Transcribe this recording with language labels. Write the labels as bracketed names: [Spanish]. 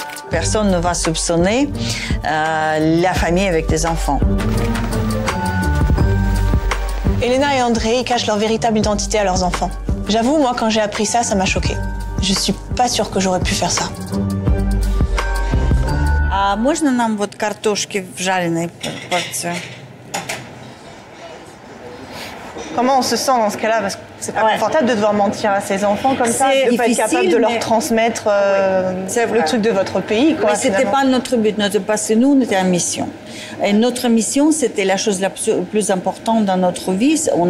[French] Personne ne va soupçonner la famille avec des enfants. Elena et André, ils cachent leur véritable identité à leurs enfants. J'avoue, moi, quand j'ai appris ça, ça m'a choquée. Je suis pas sûre que j'aurais pu faire ça. [Russian] Можно нам вот картошки в жареной порции? [French] Comment on se sent dans ce cas-là? Parce que c'est pas confortable de devoir mentir à ses enfants comme c'est ça, de ne pas être capable de leur transmettre le truc de votre pays. Quoi, mais ce n'était pas notre but. Notre passé, nous, on était en mission. Et notre mission, c'était la chose la plus importante dans notre vie.